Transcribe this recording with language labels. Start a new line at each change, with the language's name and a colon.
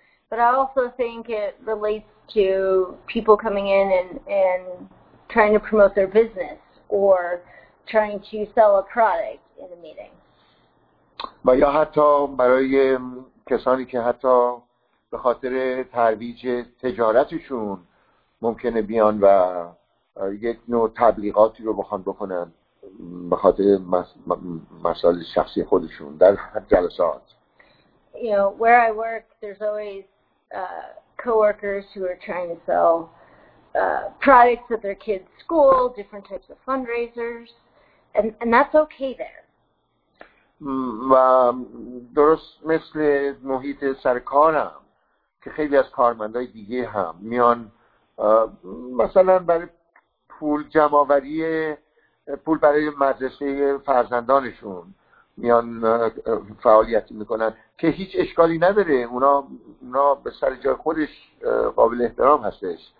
English: But I also think it relates to people coming in and trying to promote their business or trying to sell a product in a meeting.
Persian: و یا حتی برای کسانی که حتی به خاطر ترویج تجارتشون ممکنه بیان و یک نوع تبلیغاتی رو بخوان بکنن به خاطر مسائل شخصی خودشون در جلسات.
English: You know, where I work, there's always coworkers who are trying to sell products at their kids' school, different types of fundraisers, and that's okay there.
Persian: و درست مثل محیط سرکارم که خیلی از کارمندای دیگه هم میان مثلا برای پول جمع‌آوری پول برای مدرسه فرزندانشون میان فعالیتی میکنن که هیچ اشکالی نداره، اونا به سر جای خودش قابل احترام هستش.